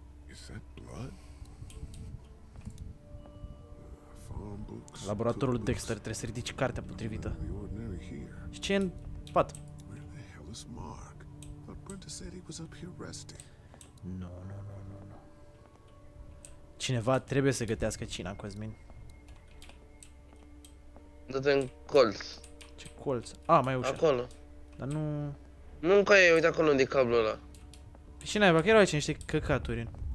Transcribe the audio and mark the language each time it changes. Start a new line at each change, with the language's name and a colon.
English: Is that blood? Farm books.
Romanian: Laboratorul Dexter, trebuie să ridici cartea potrivită. Și ce în pat?
English: Where the hell is Mark? But Brenda said he was up here resting. No, no, no, no, no.
Romanian: Cineva trebuie să gătească cina, Cosmin. Dă-te în colț. Ce colț? Ah, mai e ușa. Acolo. Dar nu... Nu încă e, uite acolo unde e cablul ăla. Păi și n-ai, bă, că erau aici niște căcaturi.